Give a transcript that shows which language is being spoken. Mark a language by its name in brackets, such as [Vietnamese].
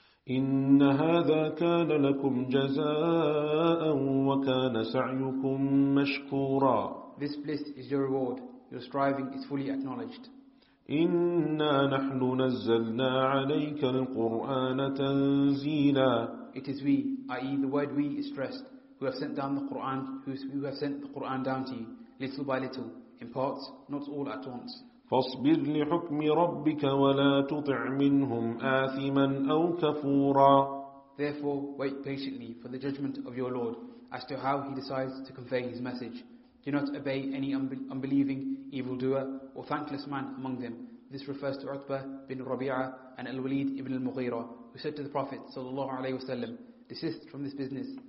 [Arabic] إن هذا كان لكم جزاء وكان سعيكم مشكورا. [English] This bliss is your reward. Your striving is fully acknowledged. [Arabic] إنا نحن نزلنا عليك القرآن تنزيلا. [English] It is we, i.e. the word we is stressed, who have sent down the Quran, down to you, little by little, in parts, not all at once. [Arabic] فاصبر لحكم ربك ولا تطع منهم آثما أو كفورا. [English] Therefore, wait patiently for the judgment of your Lord as to how He decides to convey His message. Do not obey any unbelieving evildoer or thankless man among them. This refers to Utbah bin Rabi'ah and Al-Walid ibn Al-Mughira, who said to the Prophet sallallahu alaihi wasallam, "Desist from this business."